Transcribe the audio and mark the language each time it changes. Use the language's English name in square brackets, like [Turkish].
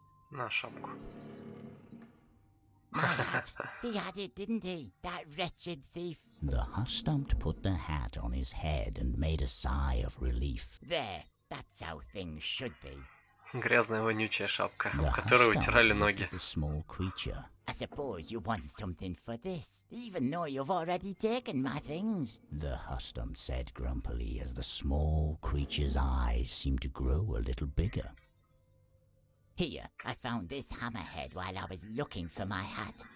[Russian] На шапку. [English] He had it, didn't he? That wretched thief. The Hustumped put the hat on his head and made a sigh of relief. There, that's how things should be. [Russian] Грязная вонючая шапка, в которой утирали ноги. [English] The small creature. I suppose you want something for this, even though you've already taken my things. The Hustumped said grumpily as the small creature's eyes seemed to grow a little bigger. Here, I found this hammerhead while I was looking for my hat.